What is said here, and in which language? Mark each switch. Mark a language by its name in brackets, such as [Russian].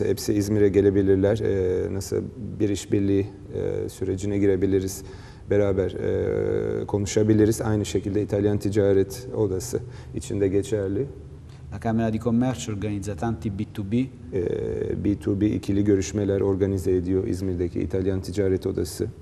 [Turkish] Hepsi İzmir'e gelebilirler. Nasıl bir işbirliği sürecine girebiliriz? Beraber konuşabiliriz. Aynı şekilde İtalyan Ticaret Odası içinde geçerli. [Italian] La Camera di Commercio organizza tanti B2B. [Turkish] B2B ikili görüşmeler organize ediyor İzmir'deki İtalyan Ticaret Odası.